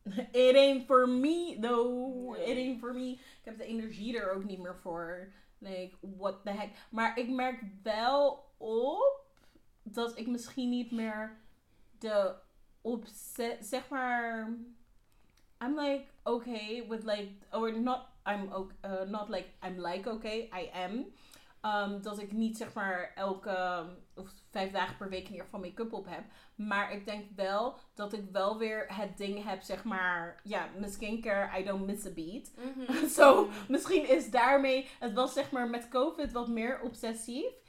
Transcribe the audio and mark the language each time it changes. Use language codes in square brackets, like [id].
[en] It ain't for me, though. Nee. It ain't for me. [nl] Ik heb de energie er ook niet meer voor... [en] Like, what the heck. [nl] Maar ik merk wel op dat ik misschien niet meer de opzet... Zeg maar... [en] I'm like, okay with like... Or not, I'm okay. I am. [nl] Dat ik niet zeg maar elke of 5 dagen per week in ieder geval make-up op heb. Maar ik denk wel dat ik wel weer het ding heb, zeg maar, ja, mijn skincare, [en] I don't miss a beat. [nl] Mm-hmm. So, misschien is daarmee, het was zeg maar met COVID wat meer obsessief.